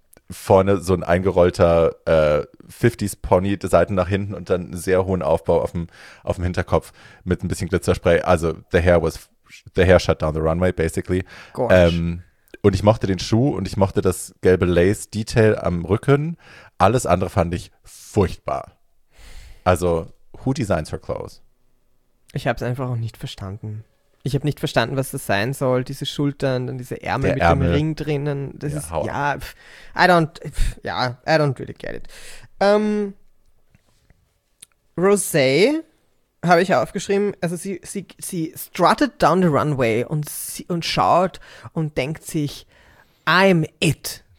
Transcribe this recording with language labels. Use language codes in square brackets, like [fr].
[de] Vorne so ein eingerollter 50s-Pony, die Seiten nach hinten und dann einen sehr hohen Aufbau auf dem Hinterkopf mit ein bisschen Glitzerspray. [en] Also, the hair shut down the runway, basically. Gosh. [de] Und ich mochte den Schuh und ich mochte das gelbe Lace-Detail am Rücken. Alles andere fand ich furchtbar. [en] Also, who designs her clothes? [de] Ich habe es einfach auch nicht verstanden. Ich habe nicht verstanden, was das sein soll. Diese Schultern, dann diese Ärmel der mit Ärmel. Dem Ring drinnen. Das [en] I don't really get it. [de] Rosé habe ich aufgeschrieben, also sie strutted down the runway und schaut und denkt sich, [en] I'm it.